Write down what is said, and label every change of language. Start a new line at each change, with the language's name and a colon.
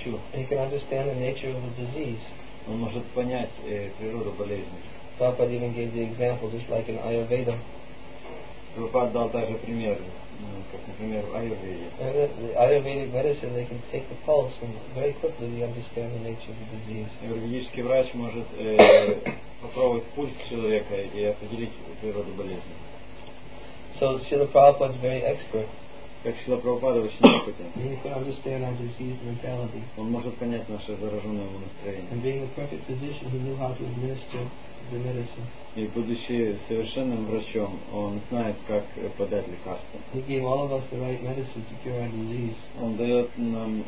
English: He can understand the nature of the disease.
Russian: Он может понять природу болезни.
English: Prabhupada even gave the example, just like in Ayurveda.
Russian: Prabhupada дал также пример, как, например, в Айурведе.
English: The Ayurvedic medicine, they can take the pulse and very quickly they understand the nature of the disease.
Russian: Ayurvedический врач может попробовать пульс человека и определить природу болезни.
English: So Srila Prabhupada is very expert.
Russian: Как Шрила Прабхупада очень опытен.
English: He can understand our diseased mentality.
Russian: Он может понять наше зараженное настроение.
English: And being the perfect physician, he knew how to administer the medicine.
Russian: И будучи совершенным врачом, он знает, как подать лекарства.
English: He gave all of us the right medicine to cure our disease.